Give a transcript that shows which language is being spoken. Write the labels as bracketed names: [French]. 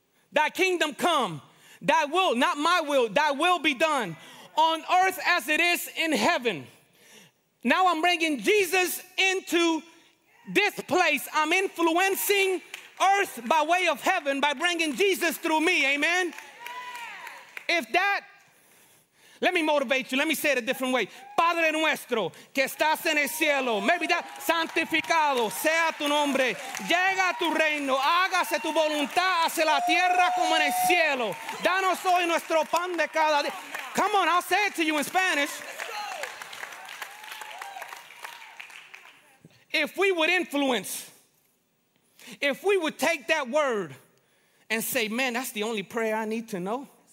[English] Thy kingdom come, thy will, not my will, thy will be done on earth as it is in heaven. Now I'm bringing Jesus into this place. I'm influencing earth by way of heaven by bringing Jesus through me. Amen. If that Let me motivate you. Let me say it a different way. [Spanish] Padre nuestro, que estás en el cielo. [English] Maybe that. [Spanish] Santificado sea tu nombre. Llega tu reino. Hágase tu voluntad hacia la tierra como en el cielo. Danos hoy nuestro pan de cada día. [English] Come on, I'll say it to you in Spanish. If we would influence, if we would take that word and say, man, that's the only prayer I need to know.